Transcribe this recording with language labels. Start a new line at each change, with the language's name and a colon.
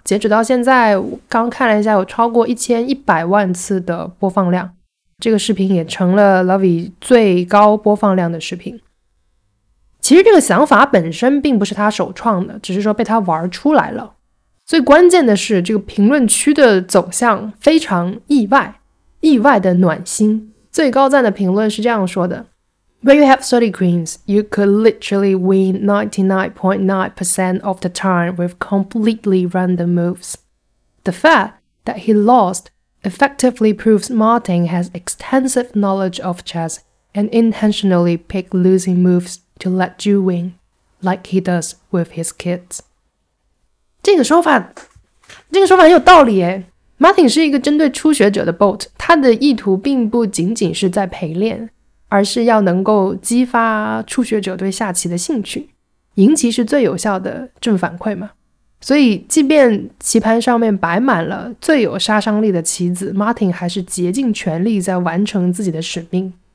Chinese: 截止到现在我刚看了一下，有超过1100万次的播放量，这个视频也成了 Lovey 最高播放量的视频。其实这个想法本身并不是他首创的，只是说被他玩出来了。最关键的是这个评论区的走向非常意外，意外的暖心。
English: 最高赞的评论是这样说的， When you have 30 queens, you could literally win 99.9% of the time with completely random moves. The fact that he lost effectively proves Martin has extensive knowledge of chess and intentionally picked losing movesTo let you win, like he does with his kids.
Chinese: 这个说法很有道理耶。 Martin 是一个针对初学者的 boat， 他的意图并不仅仅是在陪练，而是要能够激发初学者对下棋的兴趣。赢棋是最有效的正反馈嘛。所以即便棋盘上面摆满了最有杀伤力的棋子， Martin 还是竭尽全力在完成自己的使命。